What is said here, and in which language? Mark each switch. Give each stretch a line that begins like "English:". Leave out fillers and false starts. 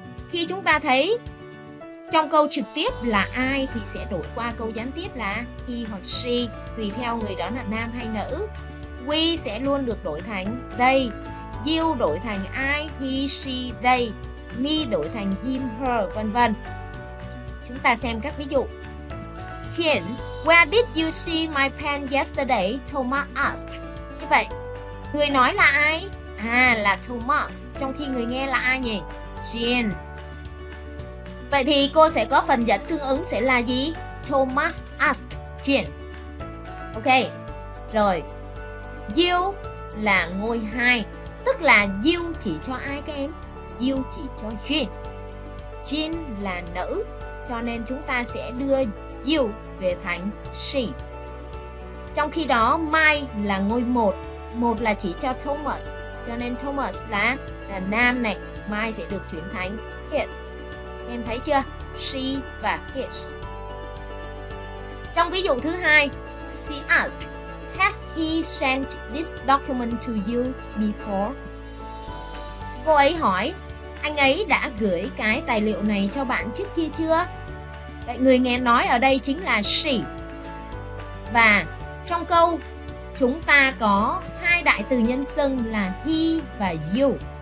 Vietnamese: Khi chúng ta thấy trong câu trực tiếp là ai thì sẽ đổi qua câu gián tiếp là he hoặc she, tùy theo người đó là nam hay nữ. We sẽ luôn được đổi thành they. You đổi thành I, he, she, they. Me đổi thành him, her, vân vân. Chúng ta xem các ví dụ.
English: Hiện, where did you see my pen yesterday? Thomas asked.
Vietnamese: Như vậy, người nói là ai? Là Thomas. Trong khi người nghe là ai nhỉ? Jean. Vậy thì cô sẽ có phần dẫn tương ứng sẽ là gì?
English: Thomas asked Jean. Ok,
Vietnamese: rồi. You là ngôi 2. Tức là you chỉ cho ai các em? You chỉ cho Jean. Jean là nữ, cho nên chúng ta sẽ đưa you về thành she. Trong khi đó, my là ngôi 1. 1 là chỉ cho Thomas, cho nên Thomas là nam này. My sẽ được chuyển thành his. Em thấy chưa? She và his. Trong ví dụ thứ hai,
English: she asked, has he sent this document to you before?
Vietnamese: Cô ấy hỏi, anh ấy đã gửi cái tài liệu này cho bạn trước kia chưa? Vậy người nghe nói ở đây chính là she. Và trong câu, chúng ta có hai đại từ nhân xưng là he và you.